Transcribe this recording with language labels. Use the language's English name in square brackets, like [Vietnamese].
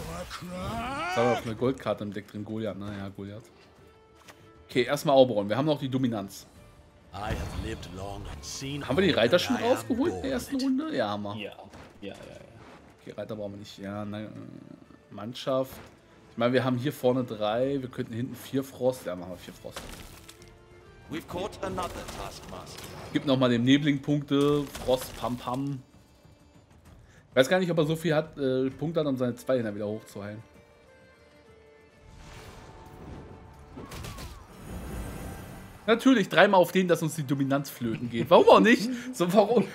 [German] Jetzt haben wir noch eine Goldkarte im Deck drin, Goliath. Naja, Goliath. Okay, erstmal Auberon. Wir haben noch die Dominanz. [English] I have lived long and seen. [German] Haben wir die Reiter schon rausgeholt in der ersten Runde? Ja, haben wir. Ja. Okay, Reiter brauchen wir nicht. Ja, nein. Mannschaft. Ich meine, wir haben hier vorne 3. Wir könnten hinten 4 Frost. Ja, machen wir 4 Frost. [English] We've caught another taskmaster. [German] Gib nochmal dem Nebling Punkte. Frost, pam, pam. Ich weiß gar nicht, ob er so viel hat, Punkte hat, um seine 2 Hände wieder hochzuheilen. Natürlich, dreimal auf den, dass uns die Dominanz flöten geht. Warum auch nicht? So, warum?